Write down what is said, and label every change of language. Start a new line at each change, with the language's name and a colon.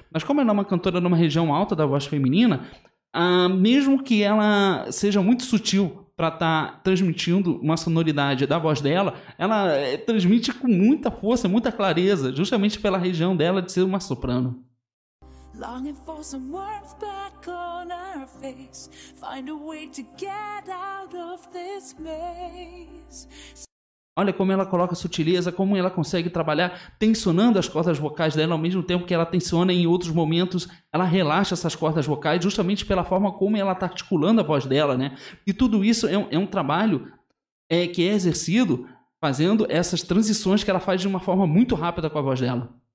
Portuguese: Mas como ela é uma cantora numa região alta da voz feminina, mesmo que ela seja muito sutil para estar transmitindo uma sonoridade da voz dela, ela transmite com muita força, muita clareza, justamente pela região dela de ser uma soprano.
English: Longing for some warmth back on our face. Find a way to get out of this maze.
Portuguese: Olha como ela coloca sutileza, como ela consegue trabalhar tensionando as cordas vocais dela ao mesmo tempo que ela tensiona em outros momentos. Ela relaxa essas cordas vocais justamente pela forma como ela está articulando a voz dela, né? E tudo isso é um trabalho que é exercido fazendo essas transições que ela faz de uma forma muito rápida com a voz dela.